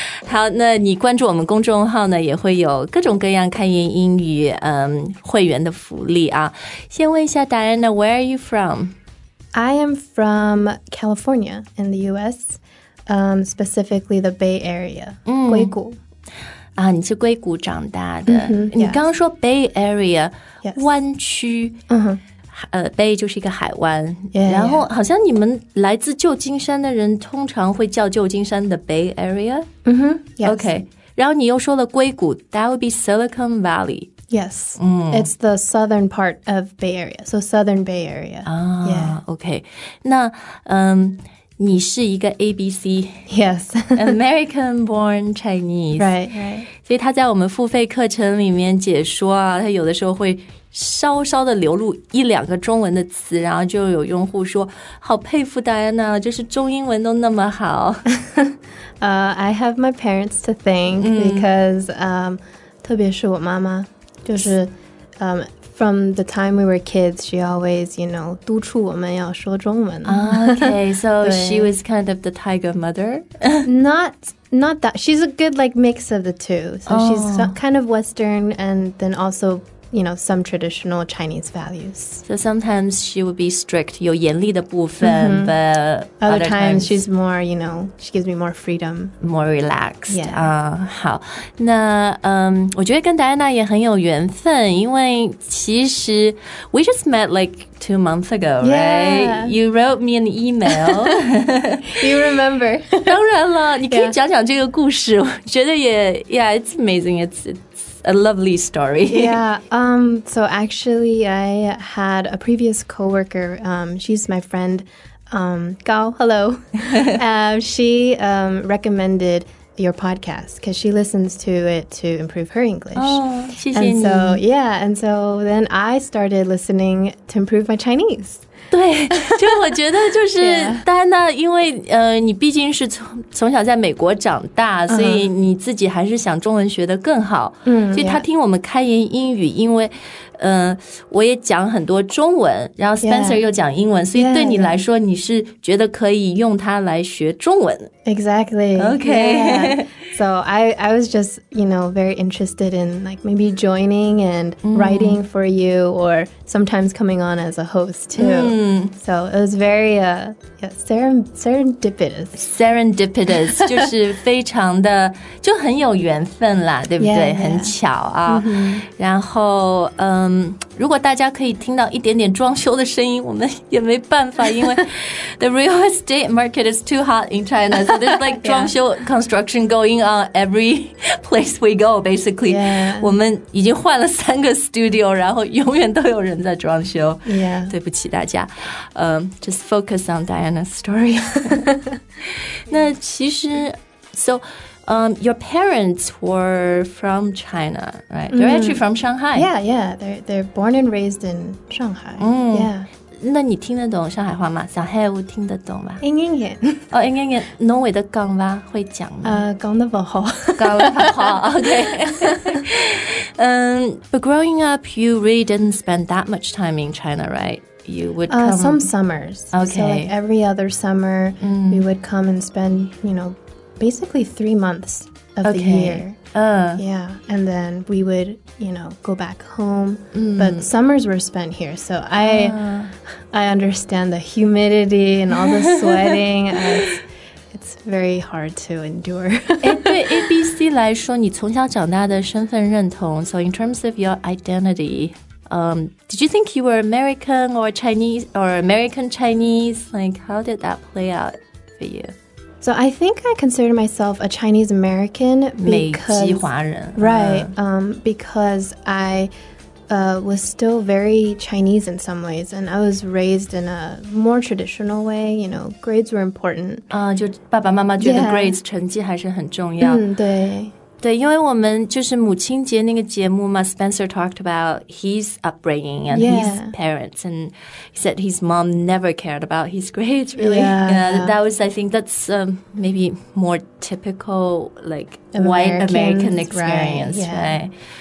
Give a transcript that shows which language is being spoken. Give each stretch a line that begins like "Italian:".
Chinese: 好，那你关注我们公众号呢也会有各种各样开言英语会员的福利啊。先问一下
English: Diana, where are you from? I am from California in the US, specifically the Bay Area, 硅谷。
Chinese: 啊，你是硅谷长大的。
English: Mm-hmm, yes.
Chinese: 你刚刚说 Bay Area,、
English: yes.
Chinese: 湾区、 mm-hmm. ，Bay 就是一个海湾。
English: Yeah,
Chinese: 然后好像你们来自旧金山的人通常会叫旧金山的 Bay Area。
English: 嗯哼 ，Yes. OK.
Chinese: 然后你又说了硅谷
English: ，That would be Silicon Valley. Yes. It's the southern part of Bay Area, so Southern Bay Area. 啊、 yeah.
Chinese: ，OK. 那你是一个 ABC,
English: yes, American-born Chinese, right, right.
Chinese: 所以他在我们付费课程里面解说啊，他有的时候会稍稍的流露一两个中文的词，然后就有用户说，好佩服 Diana, 就是中英文都那么好。
English: I have my parents to thank because,
Chinese: 特别是我妈妈，就是
English: from the time we were kids, she always, you know,
Chinese: 督促我们要说中文。
English: Okay, so she was kind of the tiger mother? not that. She's a good, like, mix of the two. So、oh. she's kind of Western and then also, you know, some traditional Chinese values. So sometimes she would be strict,
Chinese: 有严厉的部分、
English: but other times she's more, you know, she gives me more freedom. More relaxed. Yeah.
Chinese: 好，那我觉得跟 Diana 也很有缘分，因为其实
English: we just met like 2 months ago, yeah. right? You wrote me an email. You remember.
Chinese: 当然了，你可以讲讲这个故事，我觉得也
English: yeah, it's amazing, it's a lovely story. Yeah, so actually I had a previous coworker. She's my friend, Gao, hello. she recommended your podcast because she listens to it to improve her English.
Chinese: Oh, 谢谢你。
English: And so, yeah, and so then I started listening to improve my Chinese.
Chinese: 对，就我觉得就是戴安娜，因为你毕竟是从小在美国长大，所以你自己还是想中文学得更好。嗯、uh-huh. ，所以他听我们开言英语，因为我也讲很多中文，然后 Spencer 又讲英文，
English: yeah.
Chinese: 所以对你来说，你是觉得可以用它来学中文。
English: Exactly. Okay.、 Yeah. So I was just, you know, very interested in like maybe joining and writing for you or sometimes coming on as a host too. So it was very serendipitous.
Chinese: Serendipitous 就是非常的就很有缘分啦，对不对？
English: Yeah, yeah.
Chinese: 很巧啊。 Mm-hmm. 然后如果大家可以听到一点点装修的声音，我们也没办法，因为
English: the real estate market is too hot in China. So there's like 装修 construction going on every place we go. Basically,、 yeah.
Chinese: 我们已经换了三个 studio, 然后永远都有人在装修。
English: Yeah.
Chinese: 对不起大家。
English: Just focus on Diana's story.
Chinese: 那其实 so.
English: Your parents were from China, right? They're actually from Shanghai. Yeah, yeah. They're born and raised in Shanghai. Yeah.
Chinese: 那你听得懂上海话吗？小黑我听得懂吧？应该也哦，应该也浓尾的港吧会讲吗？港的不好，港的不好。
English: OK， 嗯，But growing up, you really didn't spend that much time in China, right? You would come some summers. Okay, so like every other summer, we would come and spend, you know, basically 3 months of the year. Yeah, and then we would, you know, go back home. Mm. But summers were spent here, so I understand the humidity and all the sweating. it's very hard to endure.
Chinese: 对 ABC 来说，你从小长大的身份认同。
English: So in terms of your identity, did you think you were American or Chinese or American Chinese? Like, how did that play out for you? So I think I consider myself a Chinese American because,
Chinese: 美籍华人
English: right, because I was still very Chinese in some ways, and I was raised in a more traditional way, you know, grades were important.
Chinese: 就爸爸妈妈觉得 grades 成绩还是很重要。嗯，对。对，因为我们就是母亲节那个节目嘛
English: ，Spencer talked about his upbringing and his parents, and he said his mom never cared about his grades. Really, that was, I think, that's maybe more typical like white American experience, right?